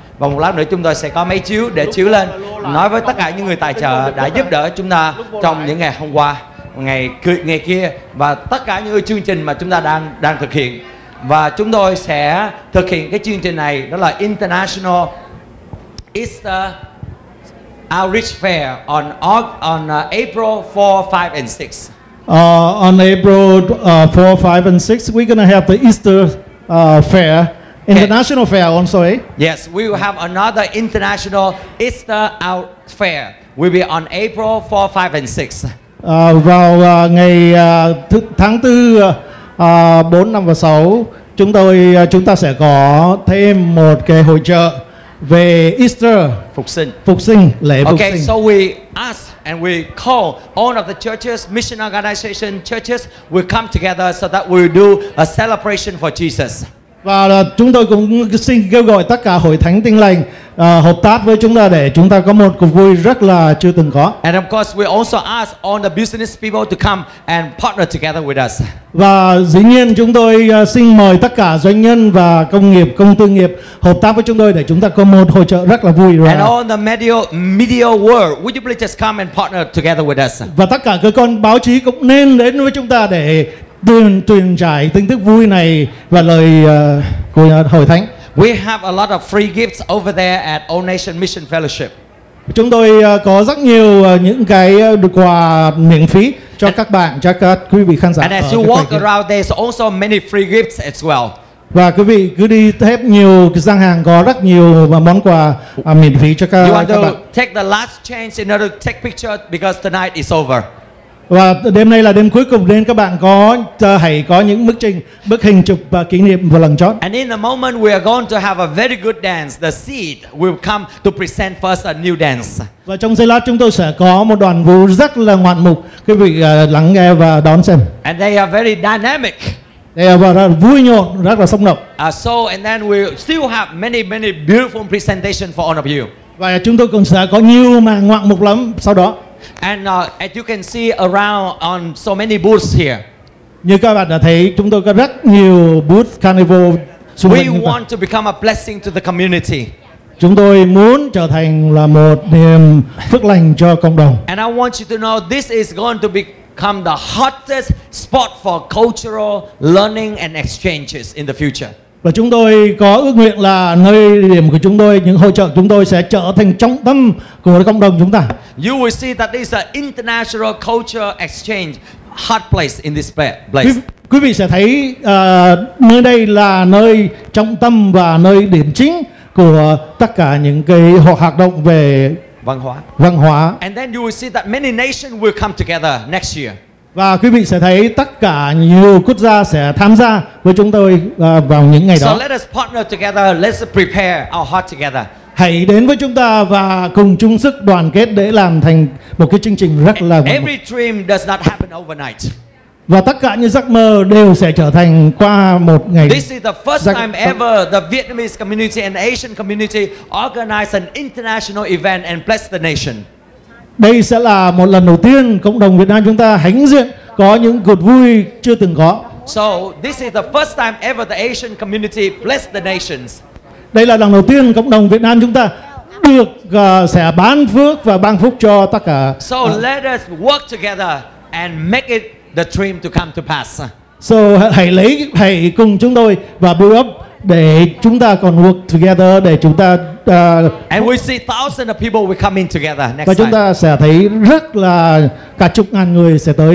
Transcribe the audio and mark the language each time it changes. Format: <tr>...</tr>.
<vi>Và một lát nữa chúng tôi sẽ có máy chiếu để chiếu lên nói với tất cả những người tài trợ đã giúp đỡ chúng ta trong những ngày hôm qua, ngày kia, và tất cả những chương trình mà chúng ta đang thực hiện. Và chúng tôi sẽ thực hiện cái chương trình này, đó là</vi> <en>International Easter Outreach Fair on April 4, 5 and 6. On April 4, 5, and 6, we're going to have the Easter fair, international fair also, eh? Yes, we will have another international Easter out fair. We'll be on April 4, 5, and 6.</en> <vi>Vào ngày tháng 4, 4, 5 và 6, chúng ta sẽ có thêm một cái hội chợ về Easter. Phục sinh, lễ phục</vi> <en>okay,</en> <vi>sinh.</vi> <en>Okay, so we ask and we call all of the churches, mission organization churches, will come together so that we do a celebration for Jesus.</en> <vi>Và chúng tôi cũng xin kêu gọi tất cả hội thánh tin lành hợp tác với chúng ta để chúng ta có một cuộc vui rất là chưa từng có.</vi> <en>And of course, we also ask all the business people to come and partner together with us.</en> <vi>Và dĩ nhiên chúng tôi xin mời tất cả doanh nhân và công nghiệp, công tư nghiệp hợp tác với chúng tôi để chúng ta có một hội chợ rất là vui.</vi> <en>And all the media world, would you please just come and partner together with us?</en> <vi>Và tất cả cơ quan báo chí cũng nên đến với chúng ta để truyền trải tin tức vui này và lời của Hội Thánh.</vi> <en>We have a lot of free gifts over there at All Nation Mission Fellowship.</en> <vi>Chúng tôi có rất nhiều những cái quà miễn phí cho các bạn, cho các quý vị khán giả.</vi> <en>And as you walk around, there's also many free gifts as well.</en> <vi>Và quý vị cứ đi thêm nhiều gian hàng có rất nhiều món quà miễn phí cho các bạn.</vi> <en>You want to take the last chance in order to take picture because tonight is over.</en> <vi>Và đêm nay là đêm cuối cùng nên các bạn có hãy có những bức hình chụp kỷ niệm và lần chót.</vi> <en>And in a moment we are going to have a very good dance. The seed will come to present first a new dance.</en> <vi>Và trong giây lát chúng tôi sẽ có một đoàn vũ rất là ngoạn mục. Quý vị lắng nghe và đón xem.</vi> <en>And they are very dynamic. They are very</en> <vi>vui nhộn, rất là sống động.</vi> <en>So and then we still have many many beautiful presentation for all of you.</en> <vi>Và chúng tôi cũng sẽ có nhiều mà ngoạn mục lắm sau đó.</vi> <en>And as you can see around on so many booths here.</en> <vi>Như các bạn đã thấy, chúng tôi có rất nhiều booth carnival xung quanh.</vi> <en>We want to become a blessing to the community.</en> <vi>Chúng tôi muốn trở thành là một niềm phước lành cho cộng đồng.</vi> <en>And I want you to know this is going to become the hottest spot for cultural learning and exchanges in the future.</en> <vi>Và chúng tôi có ước nguyện là nơi điểm của chúng tôi, những hội chợ chúng tôi sẽ trở thành trung tâm của cộng đồng chúng ta.</vi> <en>You will see that this is an international culture exchange hot place in this place.</en> <vi>Quý vị sẽ thấy nơi đây là nơi trung tâm và nơi điểm chính của tất cả những cái hoạt động về văn hóa. Văn hóa.</vi> <en>And then you will see that many nations will come together next year.</en> <vi>Và quý vị sẽ thấy tất cả nhiều quốc gia sẽ tham gia với chúng tôi vào những ngày đó.</vi> <en>So let us partner together, let's prepare our heart together.</en> <vi>Hãy đến với chúng ta và cùng chung sức đoàn kết để làm thành một cái chương trình rất là</vi> <en>Every dream does not happen overnight.</en> <vi>Và tất cả những giấc mơ đều sẽ trở thành qua một ngày.</vi> <en>This is the first time ever the Vietnamese community and Asian community organize an international event and bless the nation.</en> <vi>Đây sẽ là một lần đầu tiên cộng đồng Việt Nam chúng ta hãnh diện có những cuộc vui chưa từng có.</vi> <en>So this is the first time ever the Asian community bless the nations.</en> <vi>Đây là lần đầu tiên cộng đồng Việt Nam chúng ta được sẽ ban phước và ban phúc cho tất cả.</vi> <en>So let us work together and make it the dream to come to pass.</en> <vi>So hãy cùng chúng tôi và</vi> <en>build up</en> <vi>để chúng ta còn</vi> <en>work together</en> <vi>để chúng ta</vi> <en>And we see thousands of people will come in together next time.</en> <vi>Và chúng ta sẽ thấy rất là cả chục ngàn người sẽ tới.</vi>